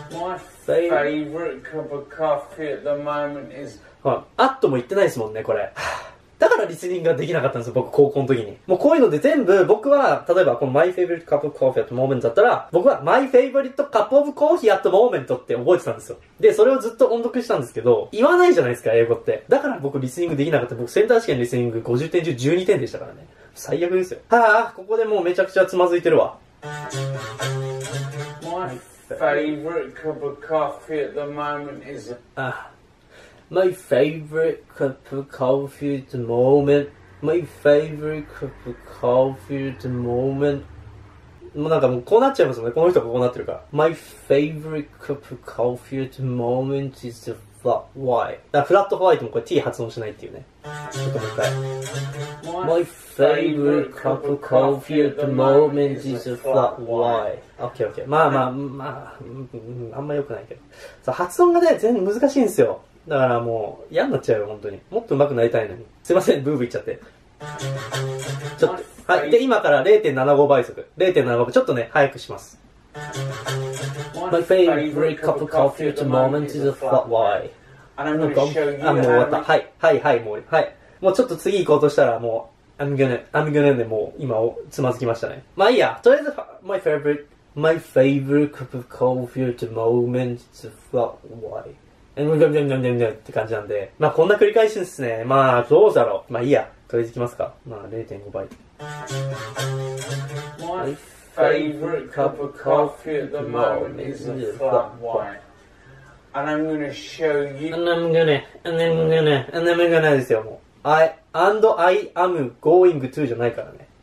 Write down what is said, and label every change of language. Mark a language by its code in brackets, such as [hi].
[en] My favorite cup of coffee at the moment is... [ja] はい。アットも言ってないですもんね、これ。だからリスニングができなかったんですよ、僕、高校の時に。もうこういうので全部、僕は、例えば、この [en] My favorite cup of coffee at the moment [ja] だったら、僕は [en] My favorite cup of coffee at the moment [ja] って覚えてたんですよ。で、それをずっと音読したんですけど、言わないじゃないですか、英語って。だから僕、リスニングできなかった。僕、センター試験リスニング50点中12点でしたからね。最悪ですよ。はぁ、ここでもうめちゃくちゃつまずいてるわ。 [en] My favorite cup of coffee at the moment is... My favorite cup of coffee at the moment... My favorite cup of coffee at the moment... [ja] もうなんかもうこうなっちゃいますもんね。この人がこうなってるから。 [en] My favorite cup of coffee at the moment is the flat white。 [ja] だからフラットホワイトもこれ T 発音しないっていうね。ちょっともう一回。 [en] My favorite cup of coffee at the moment is a flat white. Okay, okay. [ja] まあまあ、まあ、あんま良くないけど。そう、発音がね、全然難しいんですよ。だからもう、嫌になっちゃうよ、本当に。もっと上手くなりたいのに。すいません、ブーブー言っちゃって。ちょっと、はい。で、今から 0.75 倍速。0.75 倍、ちょっとね、早くします。 [en] My favorite cup of coffee at the moment is a flat white. [ja] あ、もう終わった。はい。はい、はい、もう、はい。もうちょっと次行こうとしたら、もう、 [en] I'm gonna [ja] でもう今つまずきましたね。まあいいや、とりあえず、 [en] My favorite cup of coffee at the moment is a flat white. And we're gonna, gonna, gonna, gonna [ja] って感じなんで。まあこんな繰り返しですね。まあどうだろう。まあいいや、とりあえずいきますか。まあ 0.5 倍。 [en] My favorite cup of coffee at the moment is a flat white. And I'm gonna show you. And I'm gonna [ja] ですよ、もう。 [en] I am going to [ja] じゃないからね。